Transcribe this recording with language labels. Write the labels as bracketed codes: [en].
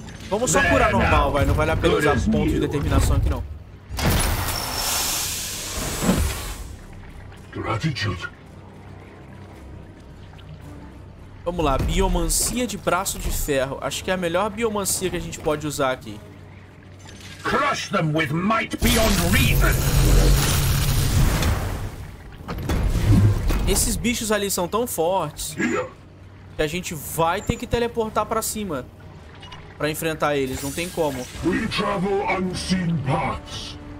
[pt] Vamos só curar normal, vai. Não vale a pena usar pontos de determinação aqui, não. Gratitude. Vamos lá, biomancia de braço de ferro. Acho que é a melhor biomancia que a gente pode usar aqui. [en] Crush them with might beyond reason. [pt] Esses bichos ali são tão fortes que a gente vai ter que teleportar pra cima pra enfrentar eles, não tem como. [en] We travel unseen paths.